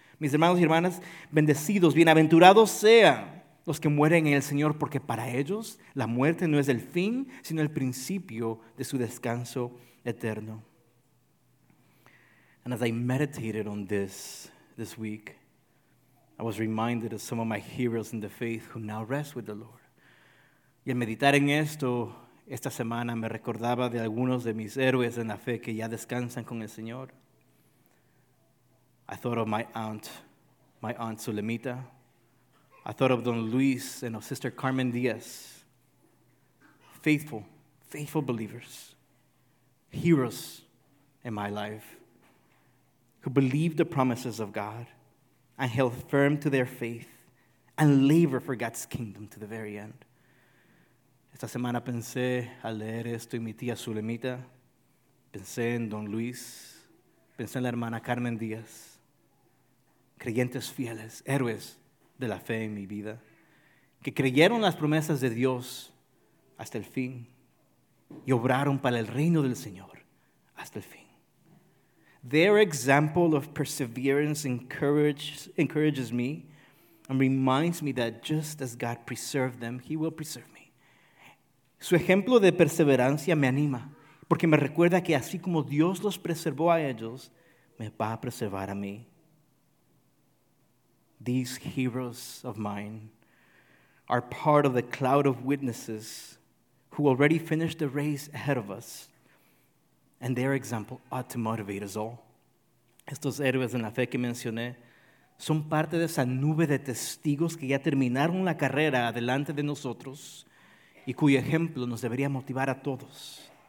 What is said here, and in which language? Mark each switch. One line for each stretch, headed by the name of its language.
Spanish: Mis hermanos y hermanas, bendecidos, bienaventurados sean los que mueren en el Señor, porque para ellos la muerte no es el fin, sino el principio de su descanso eterno.
English: And as I meditated on this week, I was reminded of some of my heroes in the faith who now rest with the Lord.
Spanish: Y al meditar en esto, esta semana me recordaba de algunos de mis héroes en la fe que ya descansan con el Señor.
English: I thought of my aunt Sulemita. I thought of Don Luis and of Sister Carmen Diaz. Faithful, faithful believers. Heroes in my life who believed the promises of God and held firm to their faith and labor for God's kingdom to the very end.
Spanish: Esta semana pensé al leer esto y mi tía Sulemita, Pensé en Don Luis. Pensé en la hermana Carmen Díaz. Creyentes fieles, héroes de la fe en mi vida, que creyeron las promesas de Dios hasta el fin y obraron para el reino del Señor hasta el fin.
English: Their example of perseverance encourages me and reminds me that just as God preserved them, He will preserve me.
Spanish: Su ejemplo de perseverancia me anima porque me recuerda que así como Dios los preservó a ellos, me va a preservar a mí.
English: These heroes of mine are part of the cloud of witnesses who already finished the race ahead of us, and their example ought to motivate us all.
Spanish: Estos héroes en la fe que mencioné son parte de esa nube de testigos que ya terminaron la carrera adelante de nosotros y cuyo ejemplo nos debería motivar a todos.